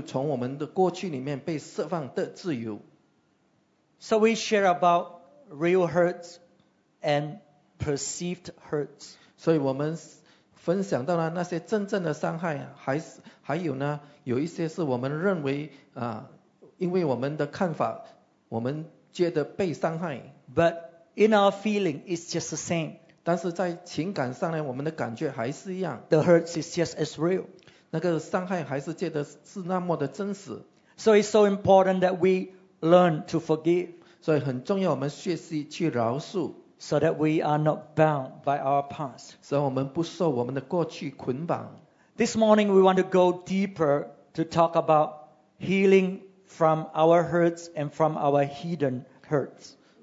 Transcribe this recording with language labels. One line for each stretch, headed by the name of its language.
Chinese: 当我们饶恕了那些我们认为呢，他们已经得罪或者是他们得罪我们的人呢，那么我们就从我们的过去里面被释放的自由。
English: So we share about real hurts and perceived hurts.
Chinese: 所以我们分享到了那些真正的伤害，还有呢，有一些是我们认为，因为我们的看法，我们觉得被伤害。
English: But in our feeling, it's just the same.
Chinese: 但是在情感上呢，我们的感觉还是一样。
English: The hurts is just as real.
Chinese: 那个伤害还是觉得是那么的真实。
English: So it's so important that we learn to forgive.
Chinese: 所以很重要，我们学习去饶恕。
English: So that we are not bound by our past.
Chinese: 所以我们不受我们的过去捆绑。
English: This morning, we want to go deeper to talk about healing from our hurts and from our hidden hurts.